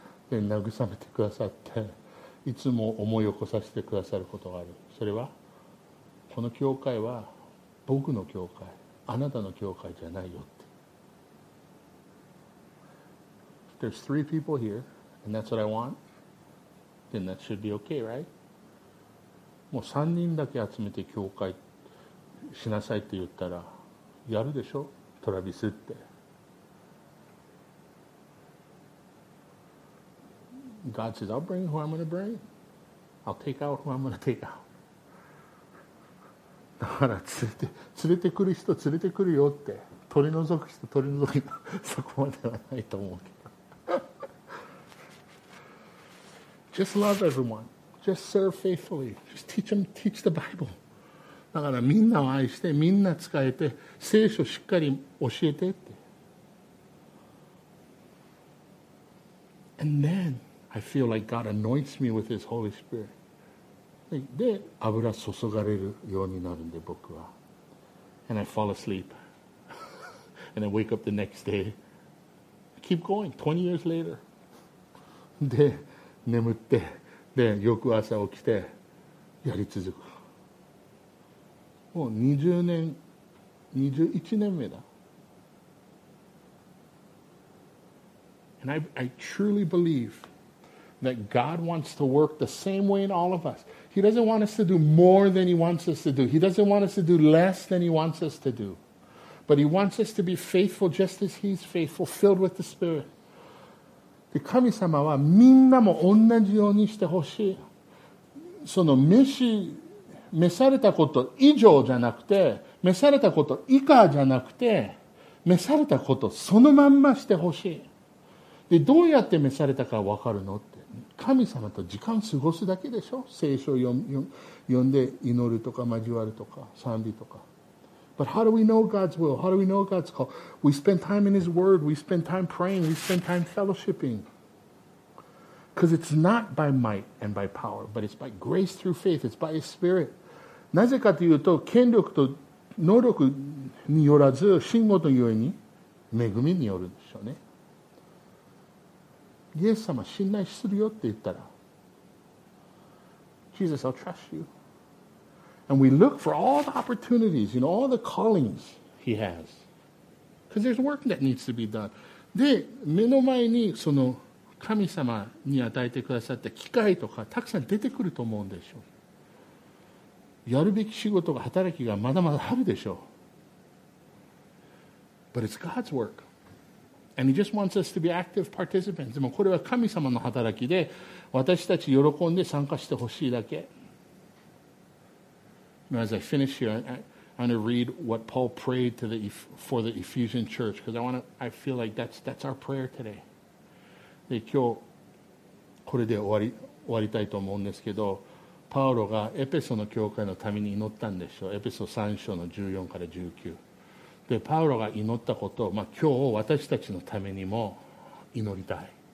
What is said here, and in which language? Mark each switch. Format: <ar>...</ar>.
<ja>で、慰めてくださって、いつも思い起こさせてくださることがある。それは、この教会は僕の教会、あなたの教会じゃないよって。</ja> <en>There's three people here, and that's what I want. Then that should be okay, right?</en> <ja>もう3人だけ集めて教会しなさいって言ったらやるでしょトラビスって。</ja> <en>God says, I'll bring who I'm going to bring. I'll take out who I'm going to take out.</en> <ja>だから連れてくる人連れてくるよって取り除く人取り除くのそこまではないと思うけど。</ja> <en>Just love everyone. Just serve faithfully. Just teach them, teach the Bible.</en> <ja>だからみんなを愛してみんな使えて聖書しっかり教えてって。</ja> <en>And then I feel like God anoints me with His Holy Spirit.</en> <ja>で油注がれるようになるんで僕は</ja> <en>and I fall asleep and I wake up the next day I keep going 20 years later</en> <ja>で眠ってで翌朝起きてやり続くもう21年目だ</ja> <en>and I truly believeThat God wants to work the same way in all of us. He doesn't want us to do more than He wants us to do. He doesn't want us to do less than He wants us to do. But He wants us to be faithful just as He's faithful, filled with the Spirit.</en> <ja>で、神様はみんなも同じようにしてほしい。その召されたこと以上じゃなくて、召されたこと以下じゃなくて、召されたことそのまんましてほしい。で、どうやって召されたかわかるの?神様と時間過ごすだけでしょ聖書を読んで祈るとか交わるとか賛美とか</ja> <en>But how do we know God's will? How do we know God's call? We spend time in His word. We spend time praying. We spend time fellowshipping. Because it's not by might and by power, but it's by grace through faith. It's by His Spirit.</en> <ja>なぜかというと権力と能力によらず信仰というように恵みによるんでしょうねイエス様信頼するよって言ったら</ja> <en>Jesus, I'll trust you. And we look for all the opportunities, you know, all the callings He has. Because there's work that needs to be done.</en> <ja>で、目の前にその神様に与えてくださった機会とかたくさん出てくると思うんでしょう。やるべき仕事が働きがまだまだあるでしょう。</ja> <en>But it's God's work. And He just wants us to be active participants.</en> <ja>でもこれは神様の働きで私たち喜んで参加してほしいだけ。</ja> <en>As I finish here, I want to read what Paul prayed for the Ephesian church because I feel like that's our prayer today.</en> <ja>で今日これで終わりたいと思うんですけど、パウロがエペソの教会のために祈ったんでしょう。エペソ3章の14から19。でパウロが祈ったことを、まあ、今日私たちのためにも祈りたい。</ja>